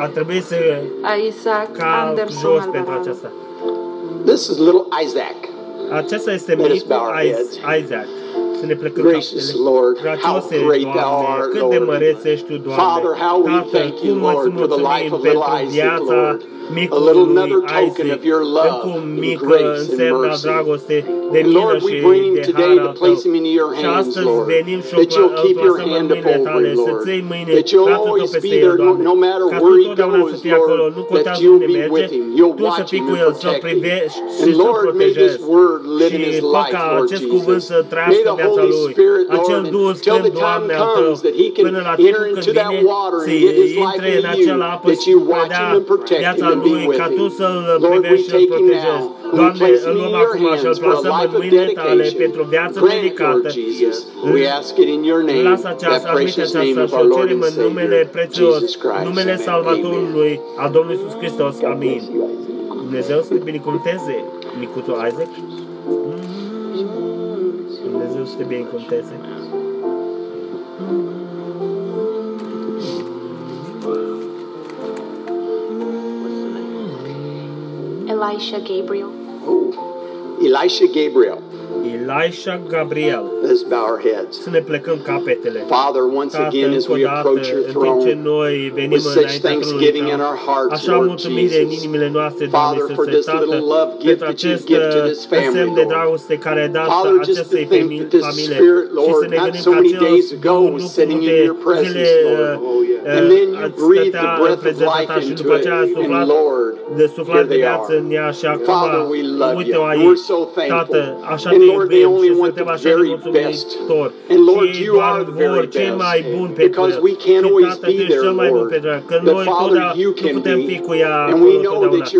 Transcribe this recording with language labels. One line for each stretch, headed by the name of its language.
Romanian: Isaac Anderson pentru aceasta.
English: This is little Isaac.
Romanian: Acesta este micul Isaac. Să ne plecăm capetele.
English: Lord, how great thou art, Lord.
Romanian: Cât de măreț ești tu, Doamne.
English: Father, how we thank you, Lord, for the life of little Isaac, Lord. A little another token of your love and grace and mercy. And Lord, we bring him today to place him in your hands, Lord, that you'll keep your hand upon him, Lord, that you'll always be there no matter where he goes, Lord, that you'll be with him, you'll watch him and protect him. And Lord, may this word live in his life, Lord Jesus. May the Holy Spirit, Lord, until the time comes that he can enter into that water and get his life in you, that you watch him and protect him and be with him. Lord, we take him now. Doamne, we place him in your hands for a life of dedication. Grant, Lord Jesus, we ask it in your name, that precious name of our Lord and Savior, Jesus Christ. Amen. Amen. God bless you, Isaac.
Romanian: Dumnezeu să te binecuvânteze, micuțul Isaac. Dumnezeu să te binecuvânteze.
English: Elisha Gabriel. Elisha Gabriel. Elisha Gabriel. Let's bow our heads.
Romanian: Să ne plecăm capetele.
English: Father, once again, as we approach your throne, with such thanksgiving in our hearts, Lord Jesus, Father, for this little love gift that you give to this family, Lord. Father, just to think that this Spirit, Lord, not so many days ago, was sitting in your presence, Lord. And then you breathed the breath of life into it, and Lord,
Romanian: de suflare de viață în ea și acum uite-o aici, Tată, așa te iubim și suntem așa de mulțumitori și doar vor cel mai bun pentru ea și Tată, tu ești cel mai bun pentru ea, că noi nu putem fi cu ea acolo totdeauna,